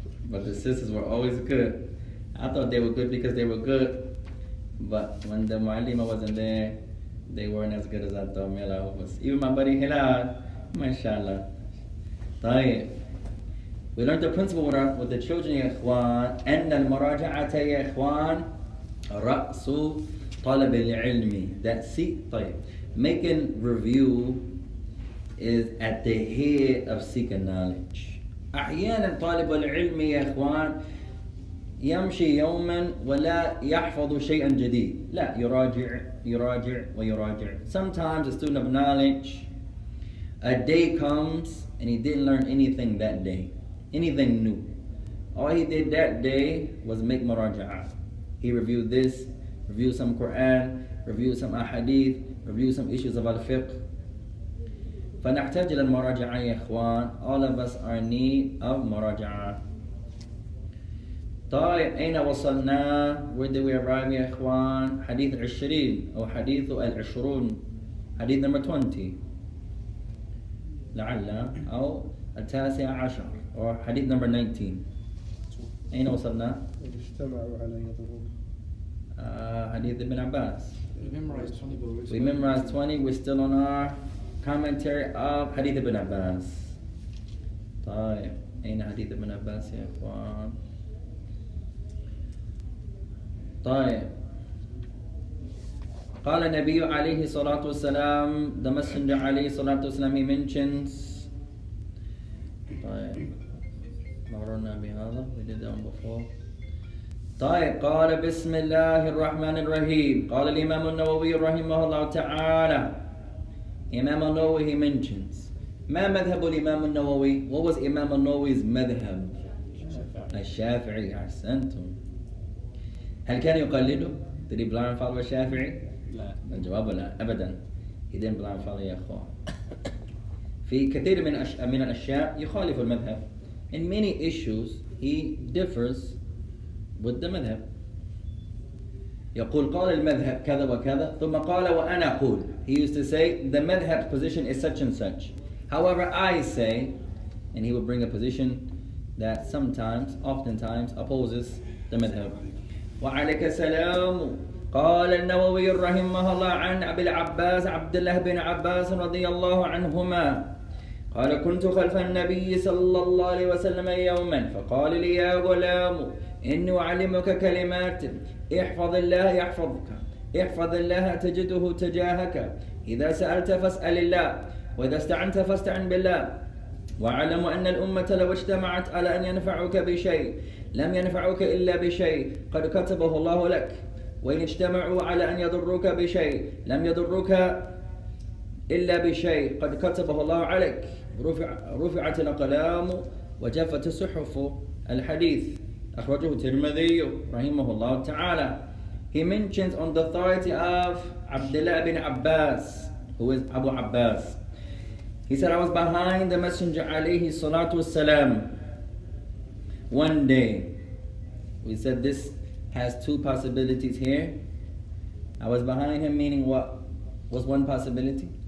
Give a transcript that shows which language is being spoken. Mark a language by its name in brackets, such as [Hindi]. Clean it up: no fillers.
[English] But the sisters were always good. I thought they were good because they were good. But when the Mu'allima wasn't there, they weren't as good as I thought. Even my buddy Hilal, mashallah. Tayyip. We learned the principle with the children, ikhwan. [Arabic] أَنَّ الْمُرَاجَعَةَ يَا إِخْوَانَ رَأْسُ طَلَبِ الْعِلْمِ That seek, طيب. [English] Making review is at the head of seeking knowledge. [Arabic] أحياناً طالب العلم يا إخوان يمشي يوماً ولا يحفظ شيئاً جديد. لا, يراجع ويراجع. [English] Sometimes a student of knowledge, a day comes and he didn't learn anything that day. Anything new. All he did that day was make مراجعه. He reviewed this, review some Quran, review some Ahadith, review some issues of al-fiqh. [Arabic] فنحتاج إلى المراجعة يا إخوان. [English] All of us are in need of مراجعة. [Arabic] طيب أين وصلنا؟ [English] Where did we arrive [Arabic] يا إخوان؟ حديث 20 أو حديث 20. حديث number 20. لعل أو التاسع عشر أو حديث number 19. أين وصلنا؟ اجتمعوا على يضرب. [English] Hadith Ibn Abbas. We memorized 20. We're still on our commentary of Hadith Ibn Abbas. [Arabic] طيب. أين Hadith Ibn Abbas يا إخوان. طيب. قال النبي عليه الصلاة والسلام. [English] The Messenger [Arabic] عليه الصلاة والسلام. [English] He mentions. [Arabic] طيب. مررنا بهذا. [English] We did that before. [Arabic] طيب قال بسم الله الرحمن الرحيم قال الإمام النووي رحمه الله تعالى إمام النووي he mentions ما مذهب الإمام النووي [English] what was إمام النووي's مذهب [Arabic] الشافعي أحسنتم هل كان يقلده [English] did he blind follow [Arabic] الشافعي لا الجواب لا أبدا [English] he didn't blind follow [Arabic] يا أخو في كثير من الأشياء يخالف المذهب [English] in many issues he differs with the madhab. [Arabic] يقول قال المذهب كذا وكذا ثم قال وأنا أقول. [English] He used to say the madhab position is such and such. However, I say, and he would bring a position that sometimes, oftentimes opposes the madhab. [Arabic] وعليك السلام قال النووي رحمه الله عن أبي العباس عبد الله بن عباس رضي الله عنهما قال كنت خلف النبي صلى الله عليه وسلم يوما فقال لي يا غلام إني أعلمك كلمات احفظ الله يحفظك احفظ الله تجده تجاهك إذا سألت فاسأل الله وإذا استعنت فاستعن بالله وعلم أن الأمة لو اجتمعت على أن ينفعوك بشيء لم ينفعوك إلا بشيء قد كتبه الله لك وإن اجتمعوا على أن يضروك بشيء لم يضروك إلا بشيء قد كتبه الله عليك رفعت الأقلام وجفت صحف الحديث أخرجه الترمذي رحمه الله تعالى. [English] He mentions on the authority of Abdullah bin Abbas, who is Abu Abbas. He said, I was behind the Messenger alayhi salatu wasalam one day. We said this has two possibilities here. I was behind him, meaning what was one possibility?